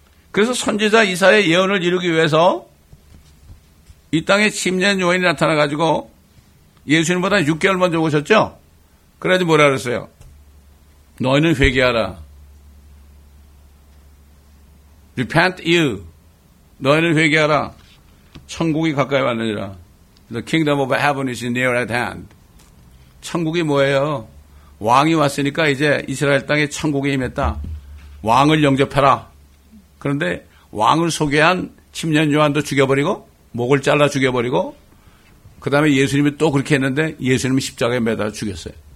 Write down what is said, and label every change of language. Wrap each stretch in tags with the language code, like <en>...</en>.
<ko>그래서 선지자 이사의 예언을 이루기 위해서 이 땅에 침례 요한이 나타나가지고 예수님보다 6개월 먼저 오셨죠? 그래야지 뭐라 그랬어요? 너희는 회개하라.</ko> <en>Repent you.</en> <ko>너희는 회개하라. 천국이 가까이 왔느니라.</ko> <en>The kingdom of heaven is near at hand.</en> <ko>천국이 뭐예요? 왕이 왔으니까 이제 이스라엘 땅에 천국이 임했다. 왕을 영접해라. 그런데 왕을 소개한 침례 요한도 죽여버리고 목을 잘라 죽여버리고 그 다음에 예수님이 또 그렇게 했는데 예수님이 십자가에 매달아 죽였어요.</ko>